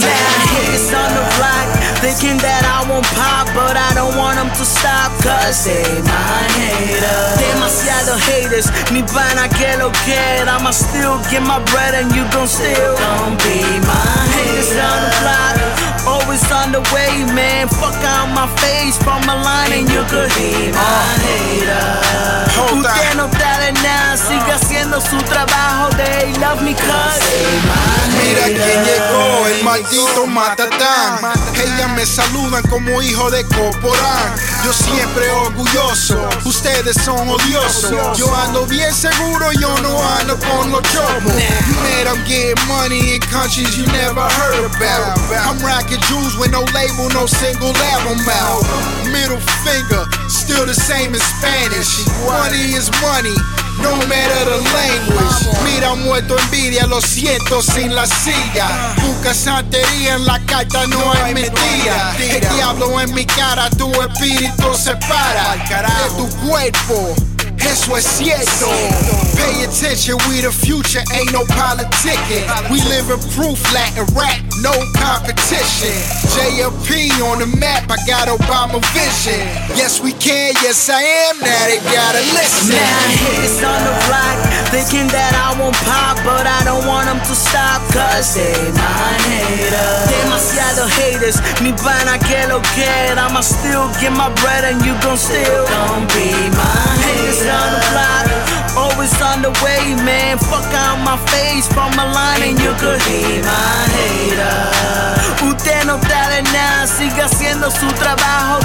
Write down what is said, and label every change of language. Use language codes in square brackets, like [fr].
[en] Now haters on the block, thinking that I won't pop, but I don't want them to stop, cause they my haters. [es] Demasiado haters, mi pana que lo [en] que, I'ma still get my bread and you gon' still gon' be my haters. On the block, always on the way, man. Fuck out my face from my line, and you could be my hater. [es] Usted no tiene nada, sigue haciendo su trabajo. [en] They love me cause [es] mira quién llegó, el maldito Matatán. Ellas me saludan como hijo de Corporán. Yo siempre orgulloso, ustedes son odiosos. Yo ando bien seguro, yo no ando con los chopos. [en] You made them get money in countries you never heard about. I'm rocking jewels with no label, no single album out. Middle finger, still the same in Spanish. Money is money, No matter the language. [es] Mira muerto envidia, lo siento sin la silla. Busca santería en la carta, no hay mentira. El diablo en mi cara, tu espíritu se para de tu cuerpo. Eso es cierto. [en] Pay attention, we the future, ain't no politicking. We live in proof, Latin rap, no competition. JLP on the map, I got Obama vision. Yes, we can, yes, I am, now they gotta listen. Now, hits on the block, thinking that I won't pop, but I don't want them to stop, cause they my haters. [es] Demasiado haters, mi pana que lo [en] que, I'ma still get my bread and you gon' steal. Don't be my haters. On the block, always on the way, man. Fuck out my face from my line, and you could be my hater. [es] Usted no está de nada, sigue haciendo su trabajo.